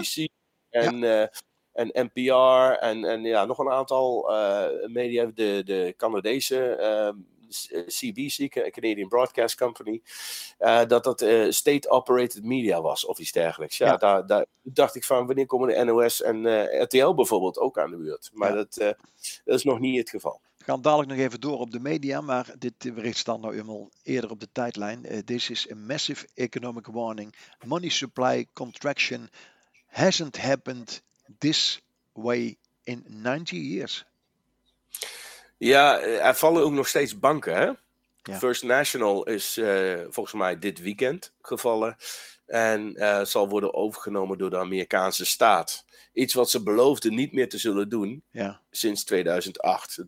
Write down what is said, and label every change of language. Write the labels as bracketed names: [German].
[Dutch] de BBC en NPR en ja, nog een aantal media, de Canadese CBC, Canadian Broadcast Company, dat state-operated media was of iets dergelijks. Ja, ja. Daar dacht ik van, wanneer komen de NOS en RTL bijvoorbeeld ook aan de buurt? Maar ja, dat is nog niet het geval. We gaan dadelijk nog even door op de media, maar dit bericht staat nou eenmaal eerder op de tijdlijn. [English] This is a massive economic warning. Money supply contraction hasn't happened this way in 90 years. [Dutch] Ja, er vallen ook nog steeds banken, hè? Ja. First National is volgens mij dit weekend gevallen en zal worden overgenomen door de Amerikaanse staat. Iets wat ze beloofden niet meer te zullen doen sinds 2008.